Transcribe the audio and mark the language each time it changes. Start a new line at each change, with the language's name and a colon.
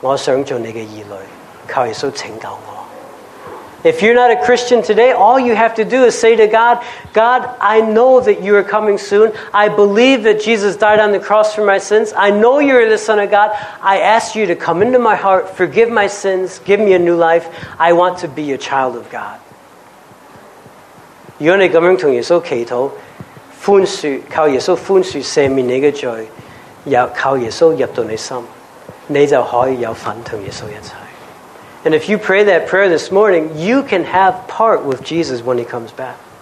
Chinese: 如果你没准备好,你只要这样向耶稣说,耶稣,我知道我是罪人,我相信你是神的儿子,我求你入我心,宽恕我罪。我想做你的儿女,靠耶稣拯救我。
English: If you're not a Christian today, all you have to do is say to God, God, I know that you are coming soon. I believe that Jesus died on the cross for my sins. I know you are the Son of God. I ask you to come into my heart, forgive my sins, give me a new life. I want to be a child of God.
Chinese: 如果你这样跟耶稣祈祷,靠耶稣宽恕赦免你的罪,靠耶稣入到你心,你就可以有份跟耶稣一起。
English: And if you pray that prayer this morning, you can have part with Jesus when He comes back.